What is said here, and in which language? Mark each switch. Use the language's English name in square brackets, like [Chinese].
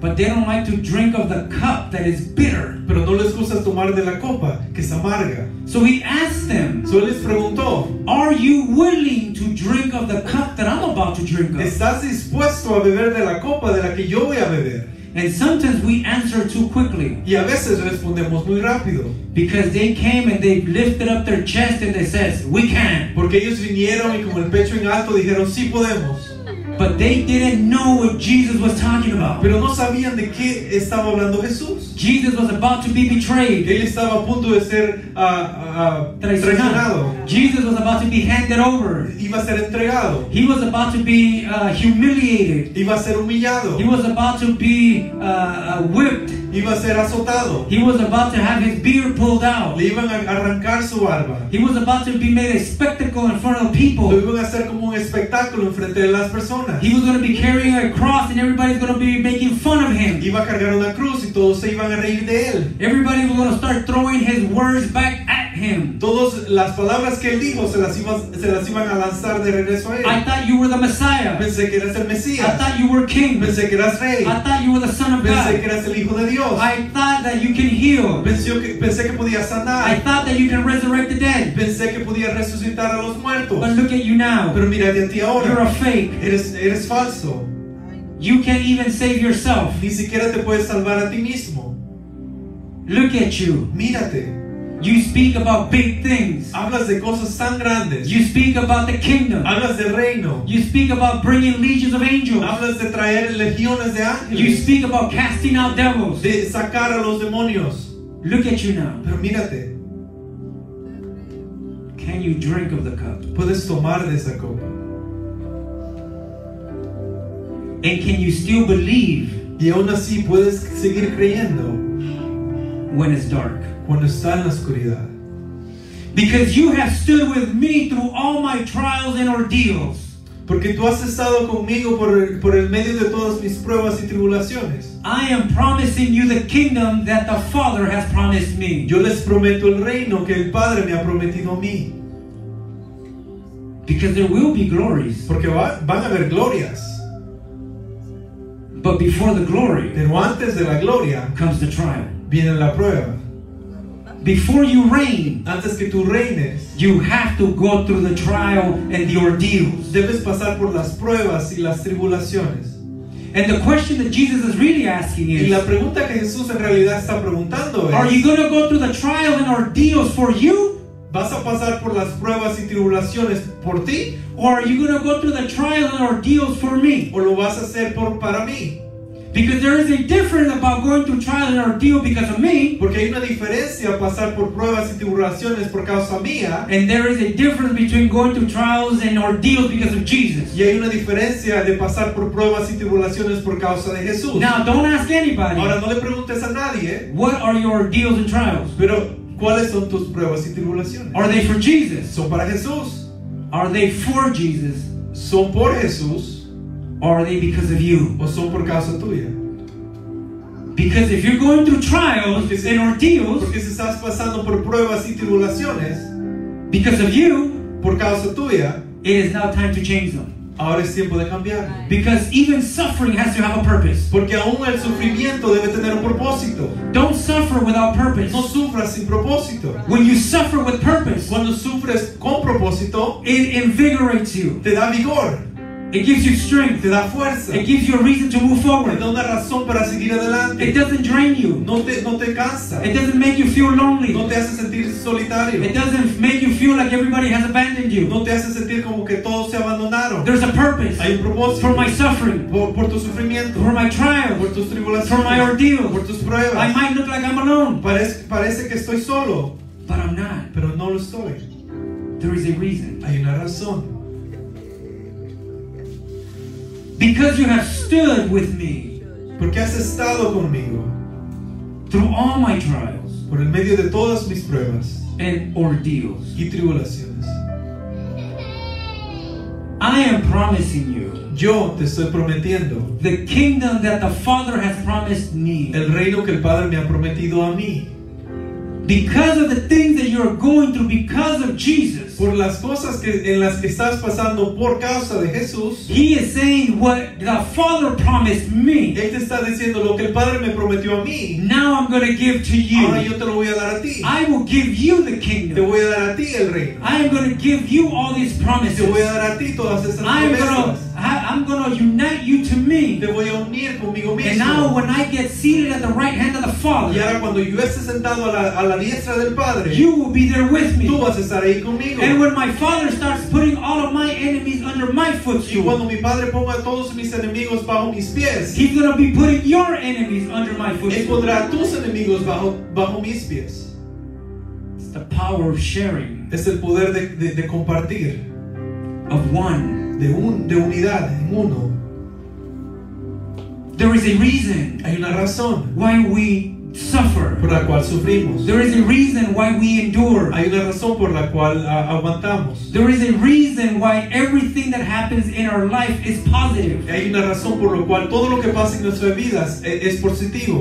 [English] But they don't like to drink of the cup that is bitter. [Spanish] Pero no les gusta tomar de la copa que es amarga. [English] So he asked them. [Spanish] So él les preguntó. [English] Are you willing to drink of the cup that I'm about to drink of? [Spanish] ¿Estás dispuesto a beber de la copa de la que yo voy a beber? [English] And sometimes we answer too quickly. [Spanish] Y a veces respondemos muy rápido. [English] Because they came and they lifted up their chest and they said, we can. [Spanish] Porque ellos vinieron y con el pecho en alto dijeron, sí podemos. [English] But they didn't know what Jesus was talking about. [Spanish] Pero no sabían de qué estaba hablando Jesús. [English] Jesus was about to be betrayed. [Spanish] Él estaba a punto de ser traicionado. [English] Jesus was about to be handed over. [Spanish] Iba a ser entregado. [English] He was about to be humiliated. [Spanish] Iba a ser humillado. [English] He was about to be whipped. [Spanish] Iba a ser azotado. [English] He was about to have his beard pulled out. [Spanish] Le iban a arrancar su barba. [English] He was about to be made a spectacle in front of people. [Spanish] Lo iban a hacer como un espectáculo en frente de las personas. [English] He was going to be carrying a cross and everybody's going to be making fun of him. [Spanish] Iba a cargar una cruz y todos se iban a reír de él. [English] Everybody was going to start throwing his words back at him. [Spanish] Todas las palabras que él dijo se las iban a lanzar de regreso a él. [English] I thought you were the Messiah. [Spanish] Pensé que eras el Mesías. [English] I thought you were king. [Spanish] Pensé que eras rey. [English] I thought you were the son of God. [Spanish] Pensé que eras el hijo de Dios. [English] I thought that you can heal. [Spanish] Pensé que podía sanar. [English] I thought that you can resurrect the dead. [Spanish] Pensé que podía resucitar a los muertos. [English] But look at you now. [Spanish] Pero mírate a ti ahora. [English] You're a fake. [Spanish] Eres falso. [English] You can't even save yourself. [Spanish] Ni siquiera te puedes salvar a ti mismo. [English] Look at you. [Spanish] Mírate. [English] You speak about big things. [Spanish] Hablas de cosas tan grandes. [English] You speak about the kingdom. [Spanish] Hablas del reino. [English] You speak about bringing legions of angels. [Spanish] Hablas de traer legiones de ángeles. [English] You speak about casting out devils. [Spanish] De sacar a los demonios. [English] Look at you now. [Spanish] Pero mírate. [English] Can you drink of the cup? [Spanish] ¿Puedes tomar de esa copa? [English] And can you still believe? [Spanish] Y aún así puedes seguir creyendo. [English] when it's dark. [Spanish] Cuando está en la oscuridad. [English] Because you have stood with me through all my trials and ordeals. [Spanish] Porque tú has estado conmigo por el medio de todas mis pruebas y tribulaciones. [English] I am promising you the kingdom that the Father has promised me. [Spanish] Yo les prometo el reino que el Padre me ha prometido a mí. [English] Because there will be glories. [Spanish] Porque van a haber glorias. [English] But before the glory, [Spanish] pero antes de la gloria, [English] comes the trial. [Spanish] Viene la prueba. [English] Before you reign, [Spanish] antes que tú reines, [English] you have to go through the trial and the ordeals. [Spanish] Debes pasar por las pruebas y las tribulaciones. [English] And the question that Jesus is really asking is, [Spanish] y la pregunta que Jesús en realidad está preguntando es, [English] are you going to go through the trial and ordeals for you? [Spanish] ¿Vas a pasar por las pruebas y tribulaciones por ti? [English] Or are you going to go through the trial and ordeals for me? [Spanish] ¿O lo vas a hacer para mí? [English] Because there is a difference about going through trial and ordeal because of me. [Spanish] Porque hay una diferencia pasar por pruebas y tribulaciones por causa mía. [English] And there is a difference between going through trials and ordeals because of Jesus. [Spanish] Y hay una diferencia de pasar por pruebas y tribulaciones por causa de Jesús. [English] Now don't ask anybody. [Spanish] Ahora no le preguntes a nadie. [English] What are your ordeals and trials? [Spanish] Pero ¿cuáles son tus pruebas y tribulaciones? [English] Are they for Jesus? [Spanish] Son para Jesús. [English] Are they for Jesus? [Spanish] Son por Jesús. [English] Or are they because of you? [Spanish] O son por causa tuya. [English] Because if you're going through trials and ordeals, [Spanish] porque si estás pasando por pruebas y tribulaciones, [English] because of you, [Spanish] por causa tuya, [English] it is now time to change them. [Spanish] Ahora es tiempo de cambiar. [English] Because even suffering has to have a purpose. [Spanish] Porque aún el sufrimiento debe tener un propósito. [English] Don't suffer without purpose. [Spanish] No sufras sin propósito. [English] When you suffer with purpose, [Spanish] cuando sufres con propósito, [English] it invigorates you. [Spanish] Te da vigor. [English] It gives you strength. [Spanish] Te da fuerza. [English] It gives you a reason to move forward. [Spanish] Te da una razón para seguir adelante. [English] It doesn't drain you. [Spanish] No te cansa. [English] It doesn't make you feel lonely. [Spanish] No te hace sentir solitario. [English] It doesn't make you feel like everybody has abandoned you. [Spanish] No te hace sentir como que todos se abandonaron. [English] There's a purpose. [Spanish] Hay un propósito. [English] For my suffering. [Spanish] Por tu sufrimiento. [English] For my trials. [Spanish] Por tus tribulaciones. [English] For my ordeal. [Spanish] Por tus pruebas. [English] I might look like I'm alone. [Spanish] Parece que estoy solo. [English] But I'm not. [Spanish] Pero no lo estoy. [English] There is a reason. [Spanish] Hay una razón. [English] Because you have stood with me, [Spanish] porque has estado conmigo, [English] through all my trials, [Spanish] por el medio de todas mis pruebas, [English] and ordeals, [Spanish] y tribulaciones, [English] I am promising you, [Spanish] yo te estoy prometiendo, [English] the kingdom that the Father has promised me, [Spanish] el reino que el Padre me ha prometido a mí. [English] Because of the things that you're going through because of Jesus. [Spanish] Por las cosas que en las que estás pasando por causa de Jesús. [English] He is saying what the Father promised me. [Spanish] Él te está diciendo lo que el Padre me prometió a mí. [English] Now I'm going to give to you. [Spanish] Ahora yo te lo voy a dar a ti. [English] I will give you the kingdom. [Spanish] Te voy a dar a ti el reino. [English] I am going to give you all these promises. [Spanish] Te voy a dar a ti todas esas promesas. [English] I'm going to unite you to me. [Spanish] Te voy a unir conmigo mismo. [English] And now when I get seated at the right hand of the Father. [Spanish] Y ahora cuando yo esté sentado a la diestra del Padre. [English] You will be there with me. [Spanish] Tú vas a estar ahí conmigo. [English] And when my Father starts putting all of my enemies under my footstool. [Spanish] Y cuando mi Padre ponga todos mis enemigos bajo mis pies. [English] He's going to be putting your enemies under my footstool. [Spanish] Él pondrá tus enemigos bajo mis pies. [English] It's the power of sharing. [Spanish] Es el poder de compartir. [English] Of one. [Spanish] De unidad en uno. [English] There is a reason. [Spanish] Hay una razón. [English] Why we suffer. [Spanish] Por la cual sufrimos. [English] There is a reason why we endure. [Spanish] Hay una razón por la cual aguantamos. [English] There is a reason why everything that happens in our life is positive. [Spanish] Hay una razón por la cual todo lo que pasa en nuestras vidas es positivo.